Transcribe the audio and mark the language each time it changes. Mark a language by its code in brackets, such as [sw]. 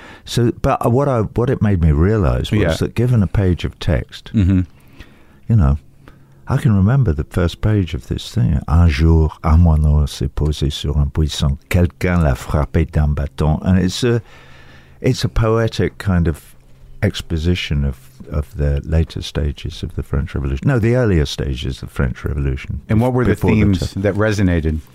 [en] So, but what it made me realize was that given a page of text, I can remember the first page of this thing. [fr] Un jour, un moineau s'est posé sur un puissant. Quelqu'un l'a frappé d'un bâton. [en] And it's a poetic kind of exposition of the later stages of the French Revolution. No, the earlier stages of the French Revolution. And what were the themes that resonated?